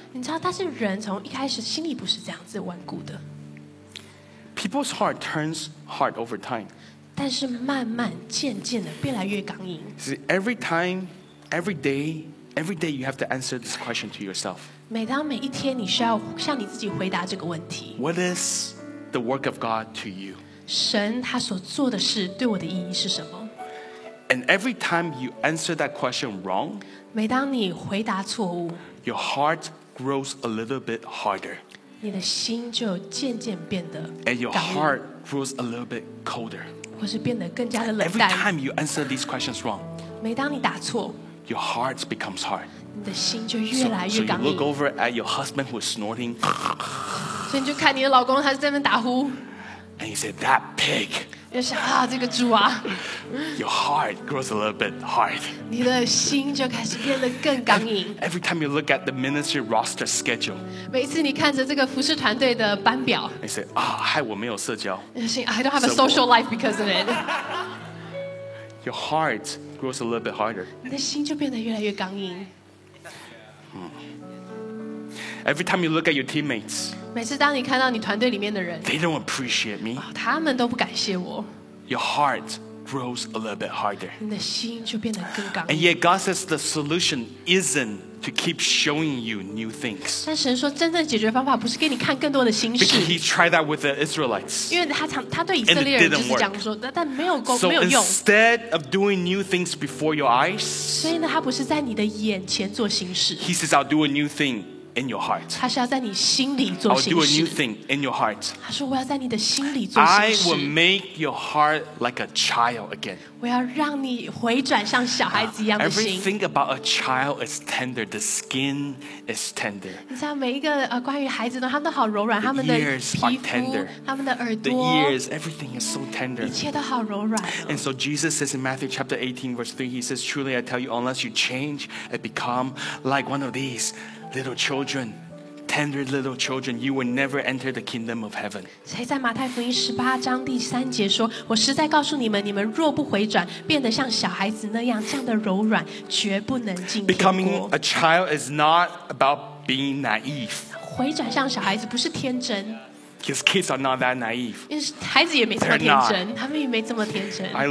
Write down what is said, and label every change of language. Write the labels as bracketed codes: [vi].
[zh] 你知道但是人从一开始心里不是这样子顽固的。 [en] People's heart turns hard over time. [zh] 但是慢慢渐渐的越来越刚硬 [en] See, every time, every day you have to answer this question to yourself. [zh] 每当每一天你需要向你自己回答这个问题 [en] What is the work of God to you? [zh] 神他所做的事对我的意义是什么 [en] And every time you answer that question wrong, [zh] 每当你回答错误 [en] your heart grows a little bit harder. [zh] 你的心就渐渐变得 [en] And your heart grows a little bit colder. [zh] 或是变得更加的冷淡。 [en] Every time you answer these questions wrong, [zh] 每当你答错 [en] your heart becomes hard. [zh] 你的心就越来越刚硬。 [en] So you look over at your husband who is snorting. [zh] 所以你就看你的老公，他在那边打呼。 [en] And you say that pig. [zh] 就想啊，这个猪啊。 [en] Your heart grows a little bit hard. [zh] 你的心就开始变得更刚硬。 [en] Every time you look at the ministry roster schedule. [zh] 每一次你看着这个服事团队的班表。 [en] You say, ah, [zh] 害我没有社交。 [en] I don't have a social life because of it. Your heart grows a little bit harder. [zh] 你的心就变得越来越刚硬。 [en] Every time you look at your teammates, [zh] 每次当你看到你团队里面的人 [en] they don't appreciate me. [zh] 他们都不感谢我。 [en] Your heart grows a little bit harder. [zh] 你的心就变得更刚硬。 [en] And yet God says the solution isn't to keep showing you new things. [zh] 但神说真正解决方法不是给你看更多的新事。 [en] Because he tried that with the Israelites. [zh] 因为他对以色列人就是讲说，但没有功，没有用。 [en] So instead of doing new things before your eyes, [zh] 所以呢，他不是在你的眼前做新事。 [en] He says, "I'll do a new thing in your heart." [zh] 他是要在你心里做新事。 [en] I'll do a new thing in your heart. [zh] 他说我要在你的心里做新事。 [en] I will make your heart like a child again. [zh] 我要让你回转像小孩子一样的心。 [en] Everything about a child is tender. The skin is tender. [zh] 你知道每一个关于孩子的，他们都好柔软，他们的皮肤、他们的耳朵。 [en] The ears, everything is so tender. [zh] 一切都好柔软。 [en] And so Jesus says in Matthew chapter 18, verse 3, he says, "Truly I tell you, unless you change and become like one of these little children." Tender little children, you will never enter the kingdom of heaven. [zh] 所以在马太福音十八章第三节说，我实在告诉你们，你们若不回转，变得像小孩子那样，这样的柔软，绝不能进天国。 [en] Becoming a child is not about being naive. [zh] 回转像小孩子不是天真。 [en] Because kids are not that naive. [zh] 因为孩子也没这么天真，他们也没这么天真。